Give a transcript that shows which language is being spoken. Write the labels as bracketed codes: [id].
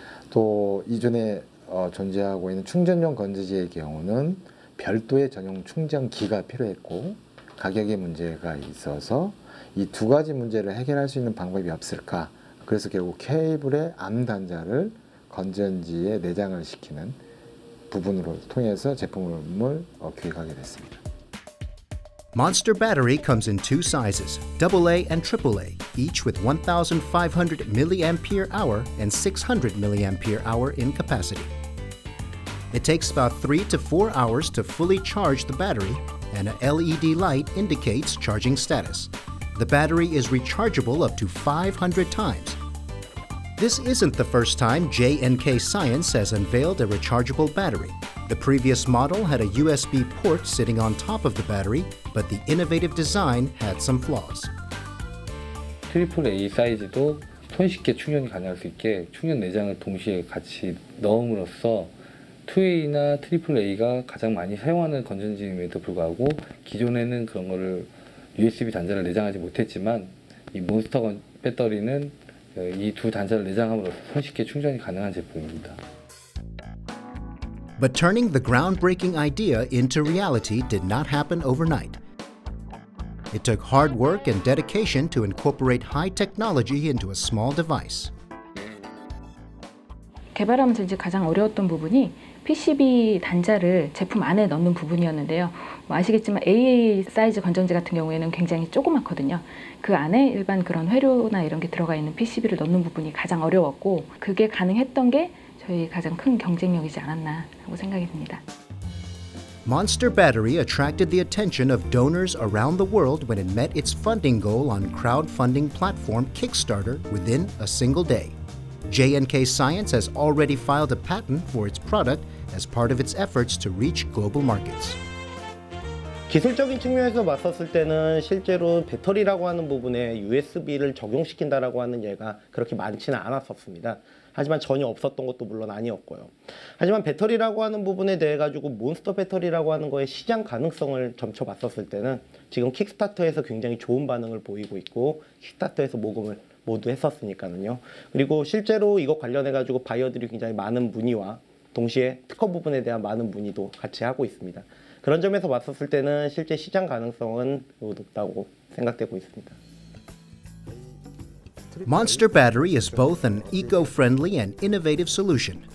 [ko] 또 이전에 존재하고 있는 충전용 건전지의 경우는 별도의 전용 충전기가 필요했고 가격의 문제가 있어서 이 두 가지 문제를 해결할 수 있는 방법이 없을까 그래서 결국 케이블의 암단자를 건전지에 내장을 시키는 부분으로 통해서 제품을 기획하게 됐습니다. [en] Monster Battery comes in two sizes, AA and AAA, each with 1,500 milliampere hour and 600 milliampere hour in capacity. It takes about 3 to 4 hours to fully charge the battery, and a LED light indicates charging status. The battery is rechargeable up to 500 times. This isn't the first time JNK Science has unveiled a rechargeable battery. The previous model had a USB port sitting on top of the battery, but the innovative design had some flaws. [ko] AAA 사이즈도 손쉽게 충전이 가능할 수 있게 충전 내장을 동시에 같이 넣음으로써 2A나 AAA가 가장 많이 사용하는 건전지임에도 불구하고 기존에는 그런 거를 USB 단자를 내장하지 못했지만 이 몬스터 배터리는 이 두 단자를 내장함으로써 손쉽게 충전이 가능한 제품입니다. [en] But turning the groundbreaking idea into reality did not happen overnight. It took hard work and dedication to incorporate high technology into a small device. [ko] 개발하면서 이제 가장 어려웠던 부분이 PCB 단자를 제품 안에 넣는 부분이었는데요. 뭐 아시겠지만 AA 사이즈 건전지 같은 경우에는 굉장히 조그맣거든요. 그 안에 일반 그런 회로나 이런 게 들어가 있는 PCB를 넣는 부분이 가장 어려웠고 그게 가능했던 게 저희 가장 큰 경쟁력이지 않았나 하고 생각이 듭니다. [en] Monster Battery attracted the attention of donors around the world when it met its funding goal on crowdfunding platform Kickstarter within a single day. JNK Science has already filed a patent for its product as part of its efforts to reach global markets. [ko] 기술적인 측면에서 봤었을 때는 실제로 배터리라고 하는 부분에 USB를 적용시킨다라고 하는 예가 그렇게 많지는 않았었습니다. 하지만 전혀 없었던 것도 물론 아니었고요. 하지만 배터리라고 하는 부분에 대해 가지고 몬스터 배터리라고 하는 거에 시장 가능성을 점쳐봤었을 때는 지금 킥스타터에서 굉장히 좋은 반응을 보이고 있고 킥스타터에서 모금을 모두 했었으니까요. 그리고 실제로 이거 관련해 가지고 바이어들이 굉장히 많은 문의와 동시에 특허 부분에 대한 많은 문의도 같이 하고 있습니다. 그런 점에서 봤었을 때는 실제 시장 가능성은 매우 높다고 생각되고 있습니다. [en] Monster Battery is both an eco-friendly and innovative solution.